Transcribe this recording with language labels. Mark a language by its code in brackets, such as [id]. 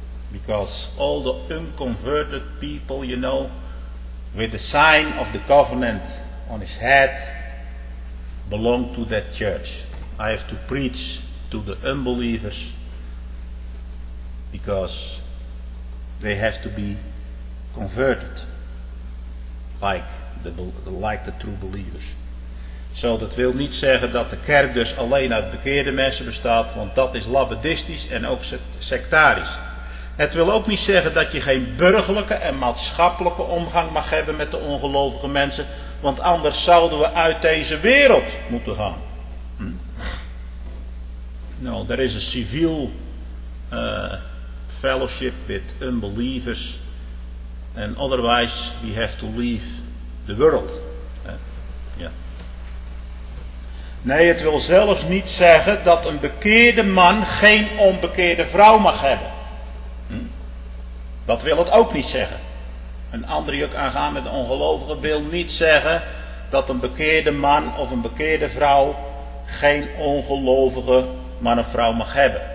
[en] Because all the unconverted people, you know, with the sign of the covenant on his head, belong to that church. I have to preach to the unbelievers, because they have to be converted like the true believers. [nl] So dat wil niet zeggen dat de kerk dus alleen uit bekeerde mensen bestaat, want dat is labadistisch en ook sectarisch. Het wil ook niet zeggen dat je geen burgerlijke en maatschappelijke omgang mag hebben met de ongelovige mensen, want anders zouden we uit deze wereld moeten gaan. [en] No, there is a civil fellowship with unbelievers, and otherwise we have to leave the world. Yeah. [nl] Nee, het wil zelfs niet zeggen dat een bekeerde man geen onbekeerde vrouw mag hebben. Dat wil het ook niet zeggen. Een andere juk aangaan met ongelovigen wil niet zeggen dat een bekeerde man of een bekeerde vrouw geen ongelovige maar een vrouw mag hebben.